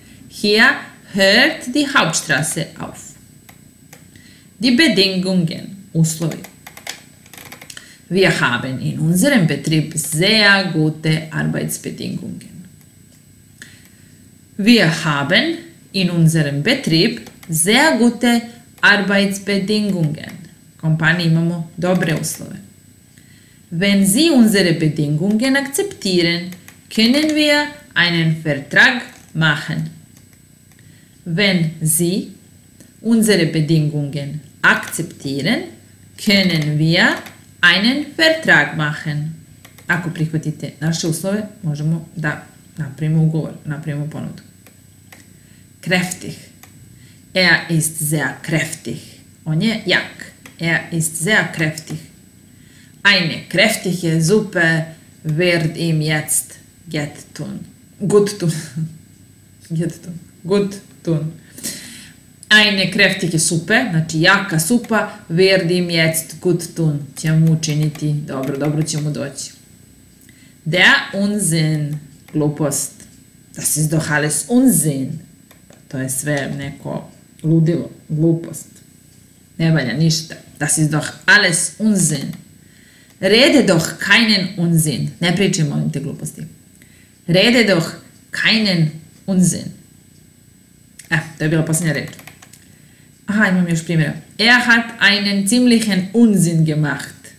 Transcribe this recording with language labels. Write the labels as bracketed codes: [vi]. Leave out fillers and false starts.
[de] Hier hört die Hauptstraße auf. Die Bedingungen, uslovi. Wir haben in unserem Betrieb sehr gute Arbeitsbedingungen. Wir haben in unserem Betrieb sehr gute Arbeitsbedingungen. [sr] Kompanije imamo dobre uslove. [de] Wenn Sie unsere Bedingungen akzeptieren, können wir einen Vertrag machen. Wenn Sie unsere Bedingungen akzeptieren, können wir einen Vertrag machen. [sr] Ako prihvatite naše uslove, možemo da napravimo ugovor, napravimo ponudu. [de] Kräftig. Er ist sehr kräftig. [sr] On je jak. [de] Er ist sehr kräftig. Eine kräftige Suppe wird ihm jetzt gut tun. Gut tun. Eine kräftige Suppe, [sr] znači jaka supa, [de] wird ihm jetzt gut tun. [sr] Će mu učiniti dobro, dobro će mu doći. [de] Der Unsinn, [sr] glupost. [de] Das ist doch alles Unsinn. [sr] To je sve neko ludilo, glupost. Ne valja ništa. [de] Das ist doch alles Unsinn. Rede doch keinen Unsinn. [sr] Ne pričajmo o te gluposti. [de] Rede doch keinen Unsinn. [sr] To je bila posljednja reč. Aha, imam još primjera. [de] Er hat einen ziemlichen Unsinn gemacht.